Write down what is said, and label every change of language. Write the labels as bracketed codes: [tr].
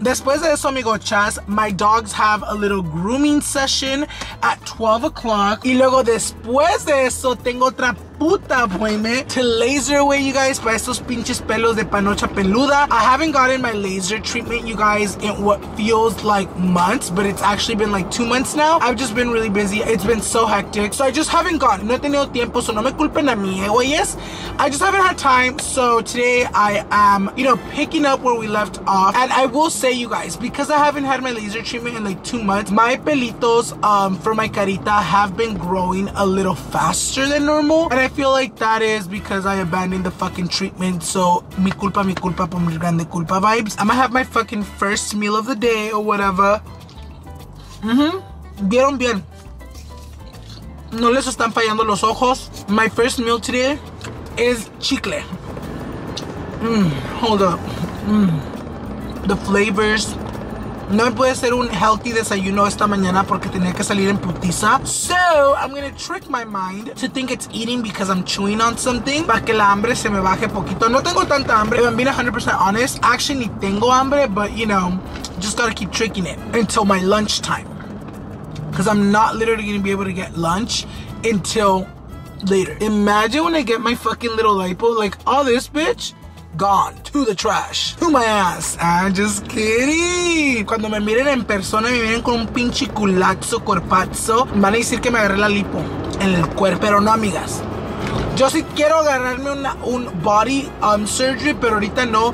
[es] Después de eso, amigo chas, [en] my dogs have a little grooming session at 12 o'clock. [es] Y luego después de eso, tengo otra puta [en] appointment to laser away, you guys, [es] para estos pinches pelos de panocha peluda. [en] I haven't gotten my laser treatment, you guys, in what feels like months, but it's actually been like 2 months now. I've just been really busy. It's been so hectic. So I just haven't gotten. [es] No he tenido tiempo, so no me culpen a mí, güeyes. [en] I just haven't had time. So today I am, you know, picking up where we left off. And I will say, you guys, because I haven't had my laser treatment in like 2 months, my pelitos for my carita have been growing a little faster than normal. And I feel like that is because I abandoned the fucking treatment. So, [es] mi culpa, por mi grande culpa [en] vibes. I'm gonna have my fucking first meal of the day or whatever. [es] Mm-hmm. Vieron bien. No les están fallando los ojos. [en] My first meal today is chicle. Hold up. The flavors. [es] No me puede ser un healthy desayuno esta mañana porque tenía que salir en putiza. [en] So, I'm gonna trick my mind to think it's eating because I'm chewing on something. [es] Para que la hambre se me baje poquito. No tengo tanta hambre. [en] If I'm being 100% honest, actually [es] ni tengo hambre, [en] but you know, just gotta keep tricking it until my lunch time. Because I'm not literally gonna be able to get lunch until later. Imagine when I get my fucking little lipo, like all this bitch gone to the trash, to my ass. I'm just kidding. [es] Cuando me miren en persona, me miren con un pinche culazo, corpazo, van a decir que me agarré la lipo en el cuerpo, pero no, amigas. Yo sí quiero agarrarme un body surgery, pero ahorita no.